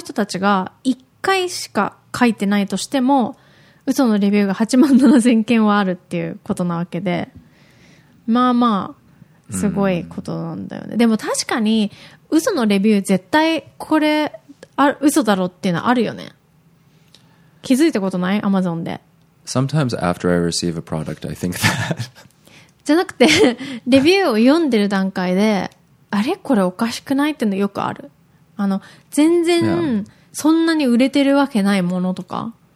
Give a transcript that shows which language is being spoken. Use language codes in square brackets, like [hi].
[ja] 知らん。でもこの2つの団体だけで87,000人いるってことは、この人たちが1回しか 書いてないとしても、嘘のレビューが87,000件はあるっていうことなわけで、まあまあすごいことなんだよね。でも確かに嘘のレビュー絶対これ嘘だろっていうのはあるよね。気づいたことない？ Amazon で。 [en] Sometimes after I receive a product, I think that. [ja] じゃなくて、レビューを読んでる段階で、あれこれおかしくない？っていうのよくある。全然そんなに売れてるわけないものとか。